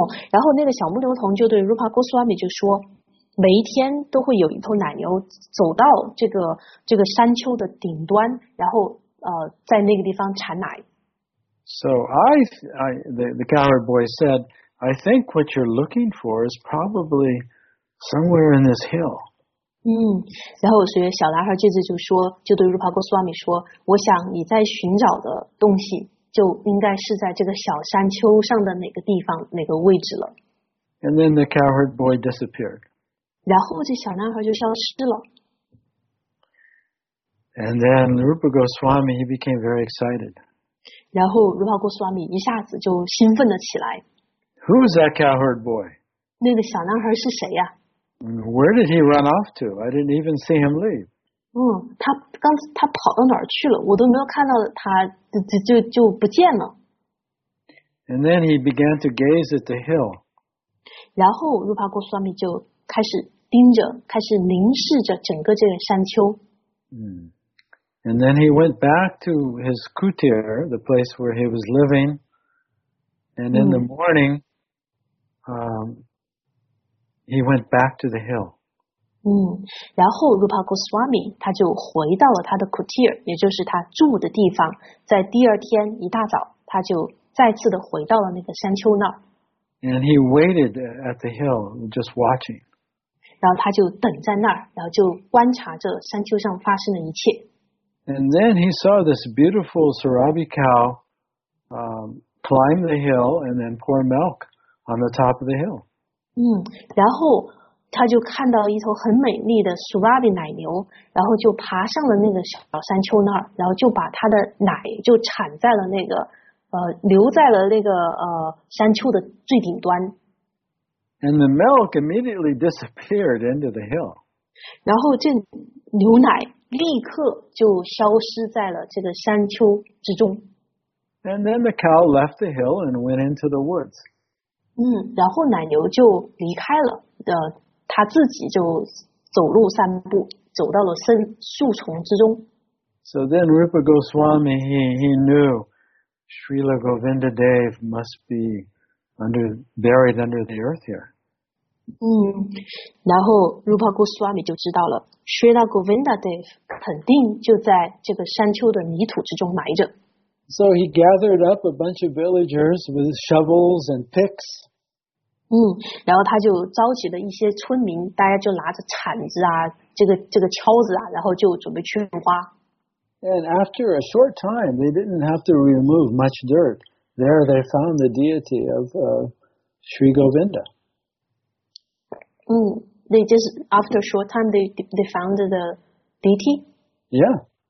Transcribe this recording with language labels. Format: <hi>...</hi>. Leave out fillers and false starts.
<zh>然后那个小牧牛童就对 Rupa Goswami 就说，每一天都会有一头奶牛走到这个山丘的顶端，然后在那个地方产奶。</zh> <en>So the cowherd boy said, I think what you're looking for is probably somewhere in this hill.</en> <zh>然后所以小男孩这次就说，就对 Rupa Goswami 说，我想你在寻找的东西就应该是在这个小山丘上的哪个地方，哪个位置了。</zh> <en>And then the cowherd boy disappeared.</en> <zh>然后这小男孩就消失了。</zh> <en>And then Rupa Goswami, he became very excited.</en> <zh>然后 Rupa Goswami 一下子就兴奋了起来。</zh> <en>Who's that cowherd boy?</en> <zh>那个小男孩是谁呀？</zh> <en>Where did he run off to? I didn't even see him leave.</en> <zh>他跑到哪儿去了？我都没有看到他，就不见了。</zh> <en>And then he began to gaze at the hill.</en> <zh>然后 Rupa Goswami 就开始盯着，开始凝视着整个这个山丘。</zh> <en>And then he went back to his kutir, the place where he was living. And in the morning, he went back to the hill.</en> <zh>然后 Rupa Goswami 他就回到了他的 kutir, 也就是他住的地方。在第二天一大早，他就再次的回到了那个山丘那儿。</zh> <en>And he waited at the hill, just watching.</en> <zh>然后他就等在那儿，然后就观察着山丘上发生的一切。</zh> <en>And then he saw this beautiful Sarabi cow climb the hill and then pour milk on the top of the hill.</en> <zh>然后他就看到一头很美丽的 Sarabi 奶牛，然后就爬上了那个小山丘那儿，然后就把他的奶就铲在了那个留在了那个山丘的最顶端。</zh> <en>And the milk immediately disappeared into the hill.</en> <zh>然后这牛奶立刻就消失在了这个山丘之中。</zh> <en>And then the cow left the hill and went into the woods.</en> <zh>然后奶牛就离开了，他自己就走路散步，走到了树丛之中。</zh> <en>So then Rupa Goswami, he knew Srila Govinda Dev must be buried under the earth here.</en> <zh>然后 Rupa Goswami 就知道了 Srila Govinda Dev 肯定就在这个山丘的泥土之中埋着。</zh> <en>So he gathered up a bunch of villagers with shovels and picks.</en> <zh>然后他就召集了一些村民，大家就拿着铲子啊，这个锹子啊，然后就准备去挖。</zh> <en>And after a short time they didn't have to remove much dirt. There they found the deity of Sri Govinda. They just after a short time they found the deity. Yeah.</en>